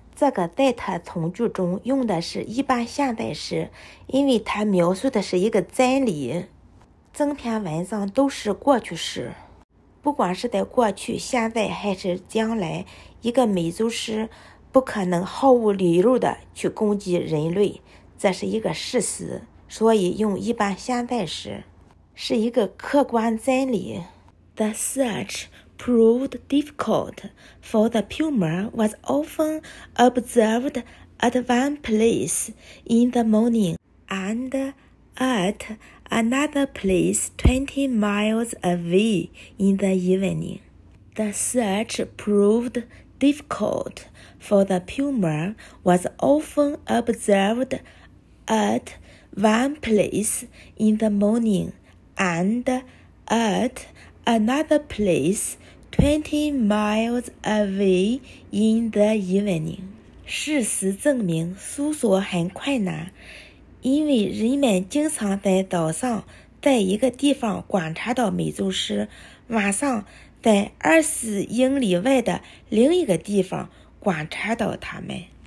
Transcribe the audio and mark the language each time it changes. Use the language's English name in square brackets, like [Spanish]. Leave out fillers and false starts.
[Chinese] 这个在他从句中用的是一般现在时，因为他描述的是一个真理，整篇文章都是过去时。不管是在过去、现在还是将来，一个美洲狮不可能毫无理由地去攻击人类，这是一个事实。所以用一般现在时，是一个客观真理。 [English] The search proved difficult, for the puma was often observed at one place in the morning and at another place 20 miles away in the evening. The search proved difficult, for the puma was often observed at one place in the morning and at another place 20 miles away in the evening. [Chinese] 事实证明搜索很困难，因为人们经常在早上在一个地方观察到美洲狮，晚上在20英里外的另一个地方观察到它们。